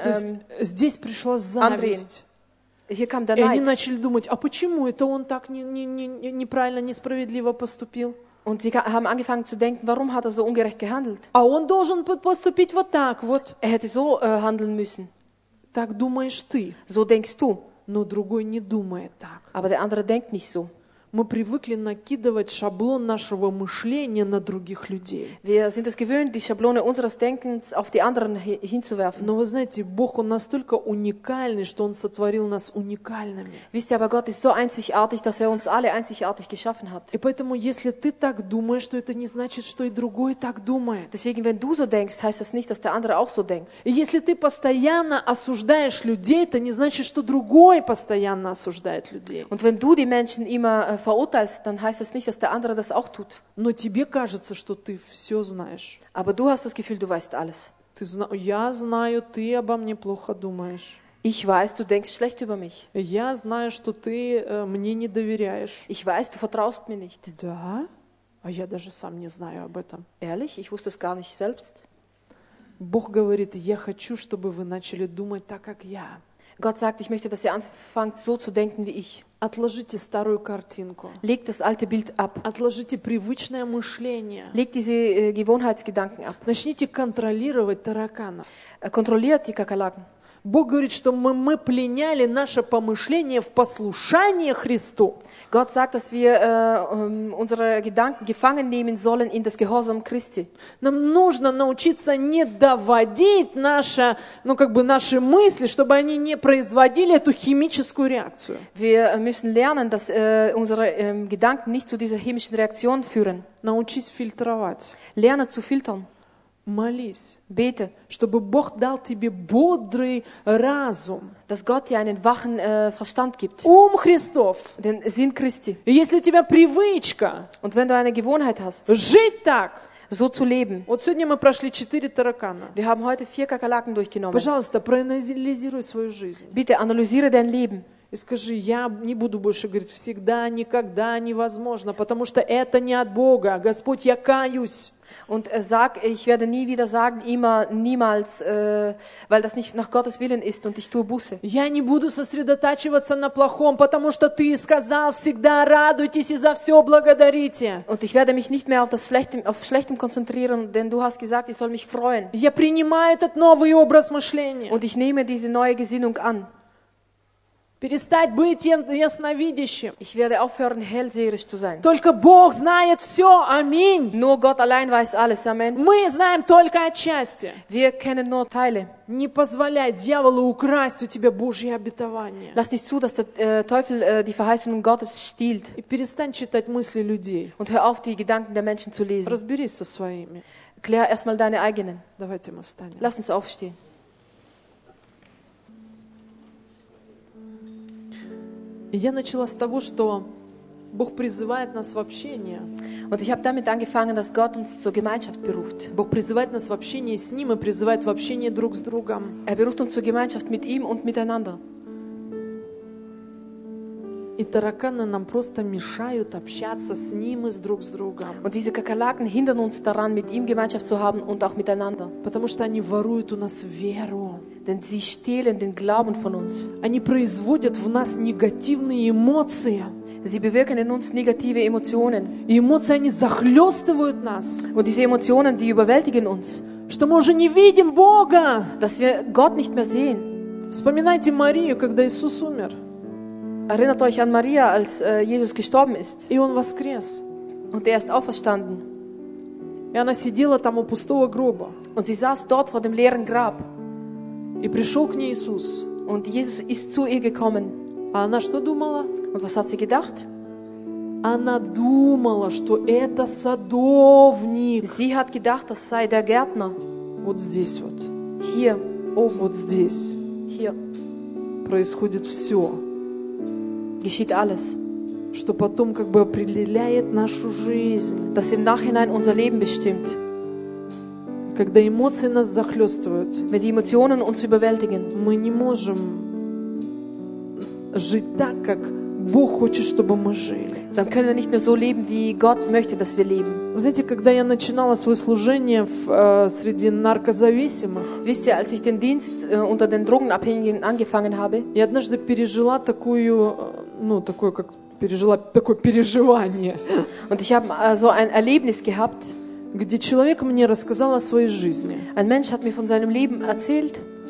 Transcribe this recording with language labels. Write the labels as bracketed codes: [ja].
[ru] То есть, здесь пришла зависть. [de] Hier kam [en] the night. [ru] И они начали думать, а почему это он так неправильно, несправедливо поступил? [de] Und sie haben angefangen zu denken, warum hat er so ungerecht gehandelt? [ru] А он должен поступить вот так вот. [de] Er hätte so handeln müssen. [ru] Так думаешь ты. [de] So denkst du. [ru] Но другой не думает так. [de] Aber der andere denkt nicht so. [ru] Мы привыкли накидывать шаблон нашего мышления на других людей. [de] Wir sind es gewöhnt, die Schablone unseres Denkens auf die anderen hinzuwerfen. [ru] Но вы знаете, Бог, Он настолько уникальный, что Он сотворил нас уникальными. [de] Wisst ihr, aber Gott ist so einzigartig, dass er uns alle einzigartig geschaffen hat. [ru] И поэтому, если ты так думаешь, то это не значит, что и другой так думает. [de] Deswegen, wenn du so denkst, heißt das nicht, dass der andere auch so denkt. [ru] И если ты постоянно осуждаешь людей, это не значит, что другой постоянно осуждает людей. [de] Und wenn du die Menschen immer verurteilst, dann heißt das nicht, dass der andere das auch tut. [ru] Но тебе кажется, что ты все знаешь. [de] Aber du hast das Gefühl, du weißt alles. [ru] Ты я знаю, ты обо мне плохо думаешь. [de] Ich weiß, du denkst schlecht über mich. [ru] Я знаю, что ты мне не доверяешь. [de] Ich weiß, du vertraust mir nicht. [ru] Да? А я даже сам не знаю об этом. [de] Ehrlich? Ich wusste es gar nicht selbst. [ru] Бог говорит, я хочу, чтобы вы начали думать так, как я. [de] Gott sagt, ich möchte, dass ihr anfangt, so zu denken wie ich. [ru] Отложите старую картинку. [de] Legt das alte Bild ab. [ru] Отложите привычное мышление. [de] Legt diese Gewohnheitsgedanken ab. [ru] Начните контролировать таракана. Контролирует [de] die Kakerlaken. [ru] Бог говорит, что мы пленяли наше помышление в послушание Христу. [de] Gott sagt, dass wir unsere Gedanken gefangen nehmen sollen in das Gehorsam Christi. [ru] Нам нужно научиться не доводить наши, ну как бы наши мысли, чтобы они не производили эту химическую реакцию. [de] Wir müssen lernen, dass unsere Gedanken nicht zu dieser chemischen Reaktion führen. [ru] Научись фильтровать. [de] Lerne zu filtern. [ru] Молись. [de] Bete. [ru] Чтобы Бог дал тебе бодрый разум. [de] Dass Gott dir einen wachen Verstand gibt. [ru] Ум Христов. [de] Den Sinn Christi. [ru] Если у тебя привычка. [de] Und wenn du eine Gewohnheit hast. [ru] Жить так. [de] So zu leben. [ru] Вот сегодня мы прошли 4 таракана. [de] Wir haben heute 4 Kakerlaken durchgenommen. [ru] Пожалуйста, проанализируй свою жизнь. [de] Bitte analysiere dein Leben. [ru] И скажи, я не буду больше говорить всегда, никогда, невозможно, потому что это не от Бога. Господь, я каюсь. [de] Und sag, ich werde nie wieder sagen, immer, niemals, weil das nicht nach Gottes Willen ist und ich tue Buße. [ru] Я не буду сосредотачиваться на плохом, потому что ты сказал, всегда радуйтесь и за все благодарите. [de] Und ich werde mich nicht mehr auf das Schlechte, auf Schlechtem konzentrieren, denn du hast gesagt, ich soll mich freuen. [ru] Я принимаю этот новый образ мышления. [de] Und ich nehme diese neue Gesinnung an. [ru] Перестать быть ясновидящим. [de] Ich werde aufhören, hellseherisch zu sein. [ru] Только Бог знает все. Аминь. [de] Nur Gott allein weiß alles. Amen. [ru] Мы знаем только отчасти. [de] Wir kennen nur Teile. [ru] Не позволяй дьяволу украсть у тебя Божье обетование. [de] Lass nicht zu, dass der Teufel die Verheißungen Gottes stiehlt. [ru] И перестань читать мысли людей. [de] Und hör auf, die Gedanken der Menschen zu lesen. [ru] Разберись со своими. [de] Klär erstmal deine eigenen. [ru] Давайте мы встанем. [de] Lass uns aufstehen. [ru] Я начала с того, что Бог призывает нас в общение. [de] Und ich habe damit angefangen, dass Gott uns zur Gemeinschaft beruft. [ru] Бог призывает нас в общение с Ним и призывает в общение друг с другом. [de] Er beruft uns zur Gemeinschaft mit ihm und miteinander. [ru] И тараканы нам просто мешают общаться с Ним и друг с другом. [de] Und diese Kakerlaken hindern uns daran, mit ihm Gemeinschaft zu haben und auch miteinander. [ru] Потому что они воруют у нас веру. [de] Denn sie stehlen den Glauben von uns. [ru] Они производят в нас негативные эмоции. [de] Sie bewirken in uns negative Emotionen. [ru] И эмоции, они захлестывают нас. [de] Und diese Emotionen, die überwältigen uns. [ru] Что мы уже не видим Бога. [de] Dass wir Gott nicht mehr sehen. [ru] Вспоминайте Марию, когда Иисус умер. [de] Erinnert euch an Maria, als Jesus gestorben ist. [ru] И он воскрес. [de] Und er ist auferstanden. [ru] И она сидела там у пустого гроба. [de] Und sie saß dort vor dem leeren Grab. [ru] И пришел к ней Иисус. [de] Und Jesus ist zu ihr gekommen. [ru] А она что думала? [de] Und was hat sie gedacht? [ru] Она думала, что это садовник. [de] Sie hat gedacht, das sei der Gärtner. [ru] Вот здесь вот. [de] Hier. [ru] Вот здесь. [de] Hier. [ru] Происходит все. [de] Geschieht alles. [ru] Что потом как бы определяет нашу жизнь. [de] Das im Nachhinein unser Leben bestimmt. [ru] Когда эмоции нас захлестывают, [de] wenn die Emotionen uns überwältigen, [ru] мы не можем жить так, как Бог хочет, чтобы мы жили. [de] Dann können wir nicht mehr so leben, wie Gott möchte, dass wir leben. [ru] Вы знаете, когда я начинала свое служение в, среди наркозависимых, [de] wisst ihr, als ich den Dienst unter den Drogenabhängigen angefangen habe, [ru] я однажды пережила такую, ну, такое, как пережила такое переживание. [de] Und ich habe so ein Erlebnis gehabt, [ru] где человек мне рассказал о своей жизни. [de] Ein Mensch hat mir von seinem Leben erzählt.